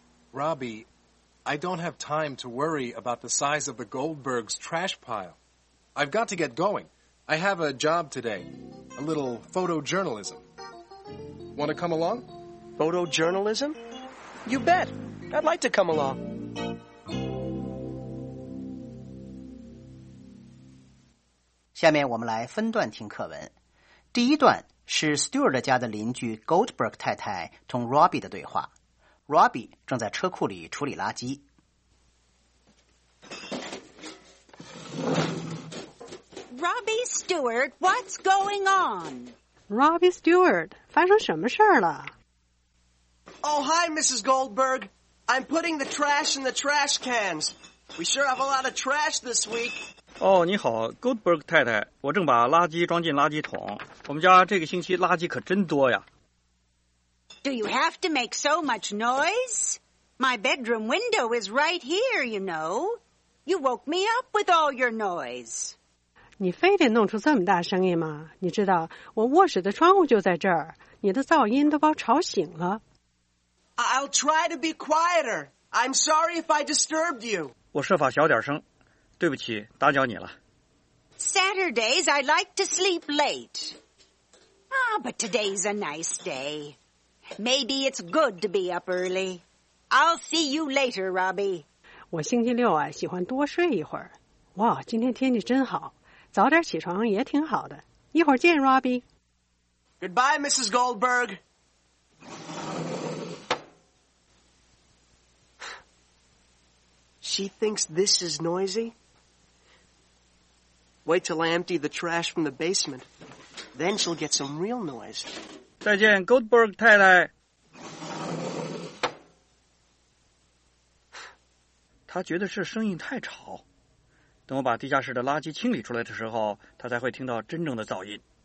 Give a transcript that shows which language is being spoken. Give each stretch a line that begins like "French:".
English: Robbie, I don't have time to worry about the size of the Goldbergs' trash pile. I've got to get going. I have a job today. A little photojournalism. Want to come along? Photojournalism? You bet. I'd like to come along.
Chinese: 下面我们来分段听课文。第一段是 Stuart 家的邻居 Goldberg 太太同 Robbie 的对话。 Robbie 正在车库里处理垃圾。
English: Robbie Stuart, what's going on?
Chinese: Robbie Stuart, 发生什么事了？
English: Oh, hi, Mrs. Goldberg. I'm putting the trash in the trash cans. We sure have a lot of trash this week.
Chinese: Oh, 你好 ,Goldberg 太太。我正把垃圾装进垃圾桶。我们家这个星期垃圾可真多呀。
English: Do you have to make so much noise? My bedroom window is right here, you know. You woke me up with all your noise.
Chinese: 你非得弄出这么大声音吗？你知道，我卧室的窗户就在这儿，你的噪音都把我吵醒了。
English: I'll try to be quieter. I'm sorry if I disturbed you.
Chinese: 我设法小点声。对不起，打搅你了。
English: Saturdays, I like to sleep late. Ah, but today's a nice day. Maybe it's good to be up early. I'll see you later, Robbie.
Chinese: 我星期六啊，喜欢多睡一会儿。哇，今天天气真好，早点起床也挺好的。一会儿见 ，Robbie.
English: Goodbye, Mrs. Goldberg. She thinks this is noisy. Wait till I empty the trash from the basement. Then she'll get some real noise.
Chinese: 再见 ,Goldberg 太太。他觉得这声音太吵。等我把地下室的垃圾清理出来的时候，他才会听到真正的噪音。